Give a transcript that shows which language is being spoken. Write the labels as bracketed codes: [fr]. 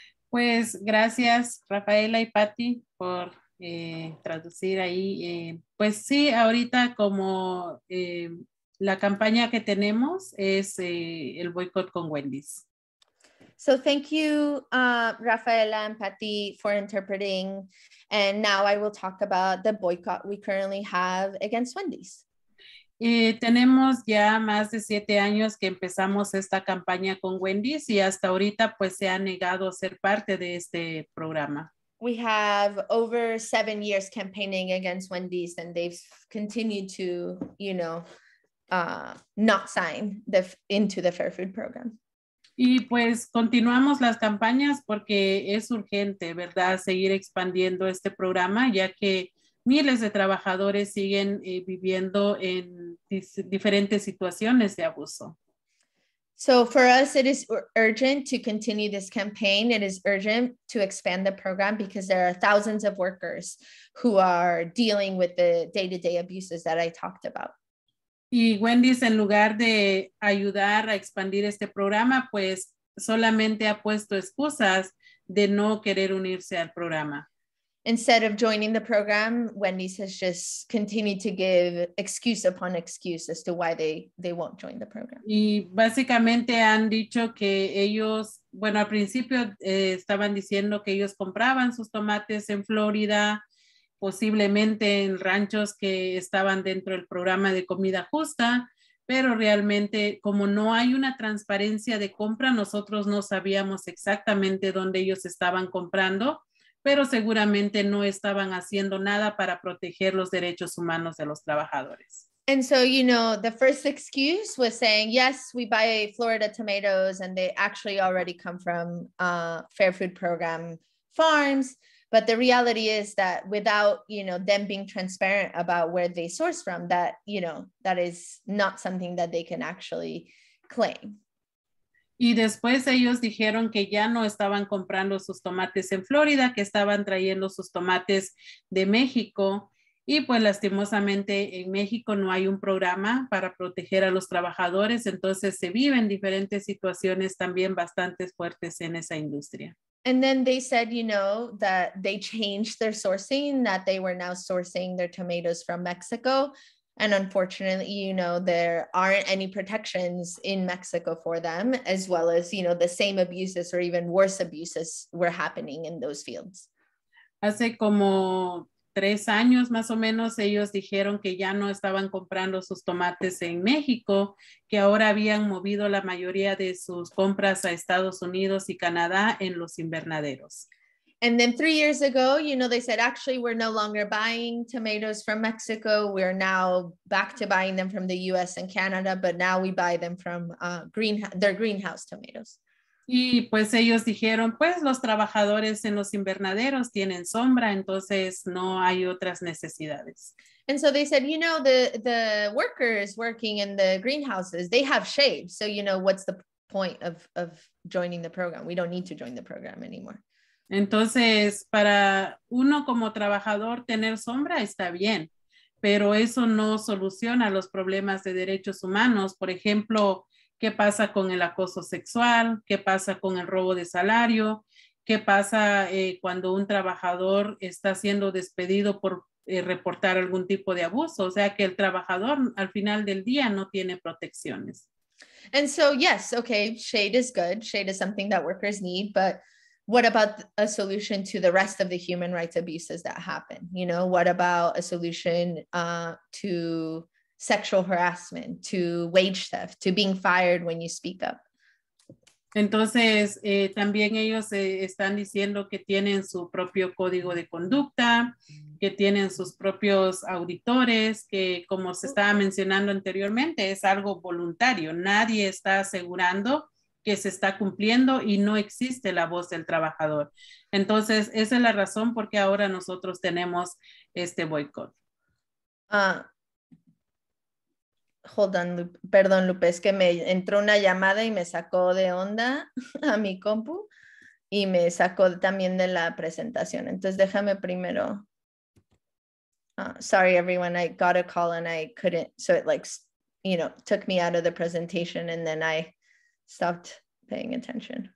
[es] Pues gracias, Rafaela y Pati, por traducir ahí. Pues sí, ahorita como la campaña que tenemos es el boicot con Wendy's. [en] So thank you, Rafaela and Patti, for interpreting. And now I will talk about the boycott we currently have against Wendy's. [es] Tenemos ya más de 7 años que empezamos esta campaña con Wendy's, y hasta ahorita pues se ha negado ser parte de este programa. [en] We have over 7 years campaigning against Wendy's, and they've continued to, you know, not sign into the Fair Food Program. [es] Y pues continuamos las campañas porque es urgente, ¿verdad?, seguir expandiendo este programa, ya que miles de trabajadores siguen viviendo en diferentes situaciones de abuso. [en] So for us, it is urgent to continue this campaign. It is urgent to expand the program because there are thousands of workers who are dealing with the day-to-day abuses that I talked about. [es] Y Wendy's, en lugar de ayudar a expandir este programa, pues solamente ha puesto excusas de no querer unirse al programa. [en] Instead of joining the program, Wendy's has just continued to give excuse upon excuse as to why they won't join the program. [es] Y básicamente han dicho que ellos, bueno, al principio estaban diciendo que ellos compraban sus tomates en Florida, posiblemente en ranchos que estaban dentro del programa de comida justa, pero realmente como no hay una transparencia de compra, nosotros no sabíamos exactamente dónde ellos estaban comprando, pero seguramente no estaban haciendo nada para proteger los derechos humanos de los trabajadores. [en] And so, you know, the first excuse was saying, yes, we buy Florida tomatoes and they actually already come from Fair Food Program farms. But the reality is that without, you know, them being transparent about where they source from, that, you know, that is not something that they can actually claim. [es] Y después ellos dijeron que ya no estaban comprando sus tomates en Florida, que estaban trayendo sus tomates de México. Y pues lastimosamente en México no hay un programa para proteger a los trabajadores. Entonces se viven diferentes situaciones también bastante fuertes en esa industria. [en] And then they said, you know, that they changed their sourcing, that they were now sourcing their tomatoes from Mexico. And unfortunately, you know, there aren't any protections in Mexico for them, as well as, you know, the same abuses or even worse abuses were happening in those fields. [es] Hace como 3 años más o menos, ellos dijeron que ya no estaban comprando sus tomates en México, que ahora habían movido la mayoría de sus compras a Estados Unidos y Canadá en los invernaderos. [en] And then 3 years ago, you know, they said, actually, we're no longer buying tomatoes from Mexico. We're now back to buying them from the US and Canada, but now we buy them from their greenhouse tomatoes. [es] Y pues ellos dijeron, pues los trabajadores en los invernaderos tienen sombra, entonces no hay otras necesidades. [en] And so they said, you know, the workers working in the greenhouses, they have shade. So, you know, what's the point of joining the program? We don't need to join the program anymore. [es] Entonces, para uno como trabajador, tener sombra está bien, pero eso no soluciona los problemas de derechos humanos. Por ejemplo, ¿qué pasa con el acoso sexual? ¿Qué pasa con el robo de salario? ¿Qué pasa cuando un trabajador está siendo despedido por reportar algún tipo de abuso? O sea, que el trabajador al final del día no tiene protecciones. [en] And so, yes, okay, shade is good. Shade is something that workers need. But what about a solution to the rest of the human rights abuses that happen? You know, what about a solution to sexual harassment, to wage theft, to being fired when you speak up? [es] Entonces, también ellos están diciendo que tienen su propio código de conducta, que tienen sus propios auditores, que como se estaba mencionando anteriormente, es algo voluntario. Nadie está asegurando que se está cumpliendo y no existe la voz del trabajador. Entonces, esa es la razón por qué ahora nosotros tenemos este boicot. [en] Hold on, [es] perdón, Lupe, es que me entró una llamada y me sacó de onda a mi compu y me sacó también de la presentación. Entonces, déjame primero. [en] Sorry, everyone, I got a call and I couldn't, so it like, you know, took me out of the presentation and then I stopped paying attention.